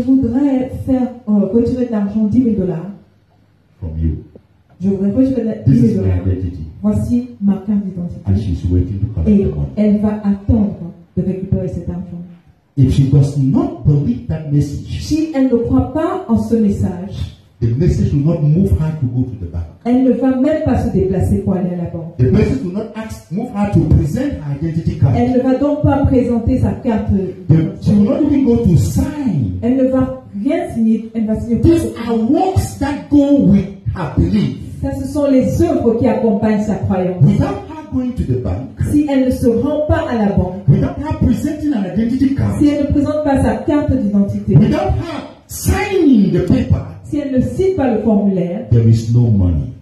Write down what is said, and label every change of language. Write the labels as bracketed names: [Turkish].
[French] je voudrais faire retirer de l'argent $10,000 [English] from you. [French] Je voudrais retirer $10,000. Voici ma carte d'identité. [English] And she's waiting to collect [French] et [English] the money. [French] Elle va attendre de récupérer cet argent. [English] If she does not believe that message, [French] si elle ne croit pas en ce message, [English] the message will not move her to go to the bank. [French] Elle ne va même pas se déplacer pour aller à la banque. [English] The message will not ask, move her to present her identity card. [French] Elle ne va donc pas présenter sa carte. [English] She will not even go to sign. [French] Elle ne va rien signer. Elle va signer. [English] These are works that go with her belief. [French] Ça, ce sont les œuvres qui accompagnent sa croyance. [English] Without her going to the bank, [French] si elle ne se rend pas à la banque, [English] without her presenting an identity card, [French] si elle ne présente pas sa carte d'identité, [English] without her signing the paper, [French] si elle ne signe pas le formulaire, [English] there is no money.